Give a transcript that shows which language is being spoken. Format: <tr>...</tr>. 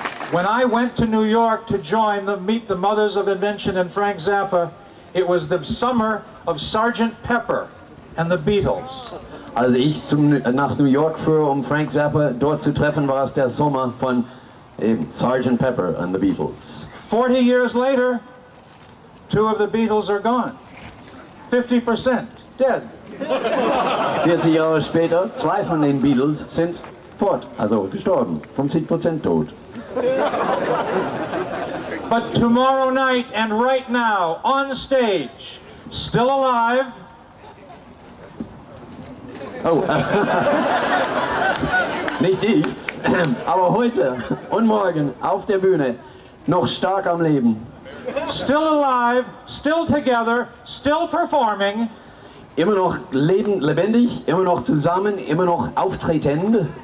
<en>When I went to New York to join the Meet the Mothers of Invention and Frank Zappa, it was the summer of Sergeant Pepper and the Beatles.</en> <de>Als ich nach New York fuhr, um Frank Zappa dort zu treffen, war es der Sommer von Sergeant Pepper and the Beatles.</de> <en>40 years later, two of the Beatles are gone. 50% dead.</en> <de>40 Jahre später, zwei von den Beatles sind fort, also gestorben, 50% tot.</de> <en>But tomorrow night and right now on stage, still alive.</en> <de>Oh, nicht ich, aber heute und morgen auf der Bühne noch stark am Leben.</de> <en>Still alive, still together, still performing.</en> <de>Immer noch lebendig, immer noch zusammen, immer noch auftretend.</de>